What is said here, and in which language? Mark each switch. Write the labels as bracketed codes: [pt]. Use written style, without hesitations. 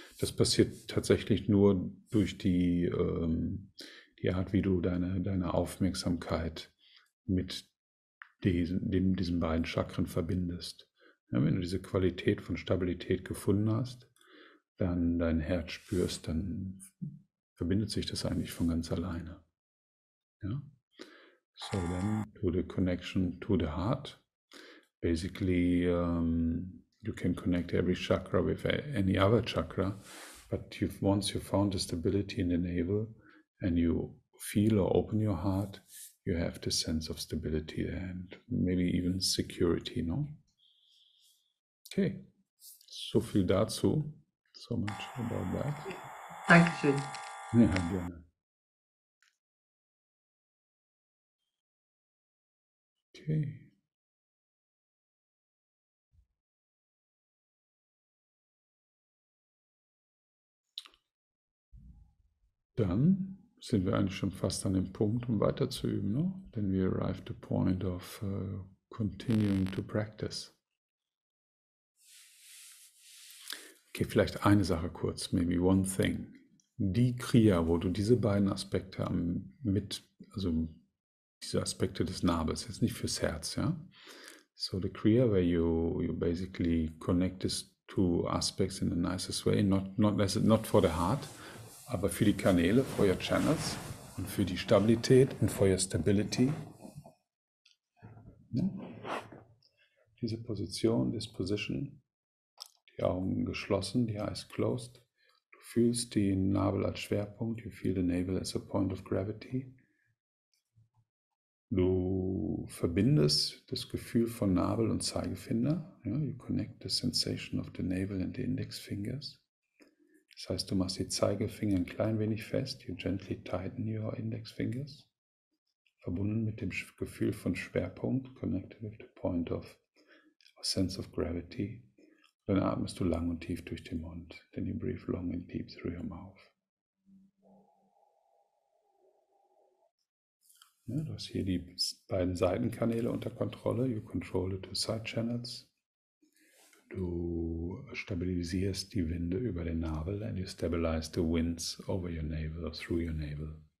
[de] Das passiert tatsächlich nur durch die Art, wie du deine Aufmerksamkeit mit diesen beiden Chakren verbindest. Ja, wenn du diese Qualität von Stabilität gefunden hast, dann dein Herz spürst, dann verbindet sich das eigentlich von ganz alleine. Ja? [en] So then, to the connection to the heart. Basically, you can connect every chakra with any other chakra, But once you found the stability in the navel and you feel or open your heart, you have the sense of stability and maybe even security, no? Okay, [de] so viel dazu. [en] So much about that. [de] Dankeschön. Ja, gerne. Okay. Dann sind wir eigentlich schon fast an dem Punkt, um weiter zu üben, ne? [en] Then we arrive at the point of continuing to practice. [de] Okay, vielleicht eine Sache kurz, [en] maybe one thing. [de] Die Kriya, wo du diese beiden Aspekte mit, also diese Aspekte des Nabels, jetzt nicht fürs Herz, ja? [en] So the Kriya, where you basically connect these two aspects in the nicest way, not for the heart, [de] aber für die Kanäle, [en] for your channels [de] und für die Stabilität und [en] for your stability. [de] Ja? Diese Position, [en] this position, [de] die Augen geschlossen, die [en] eyes closed. [de] Du fühlst die Nabel als Schwerpunkt, [en] you feel the navel as a point of gravity. [de] Du verbindest das Gefühl von Nabel und Zeigefinger. Ja? [en] You connect the sensation of the navel and the index fingers. [de] Das heißt, du machst die Zeigefinger ein klein wenig fest. [en] You gently tighten your index fingers. [de] Verbunden mit dem Gefühl von Schwerpunkt. [en] Connected with the point of a sense of gravity. [de] Und dann atmest du lang und tief durch den Mund. [en] Then you breathe long and deep through your mouth. [de] Ja, du hast hier die beiden Seitenkanäle unter Kontrolle. [en] You control the two side channels. [de] Du stabilisierst die Winde über den Nabel [en] and you stabilize the winds over your navel, through your navel.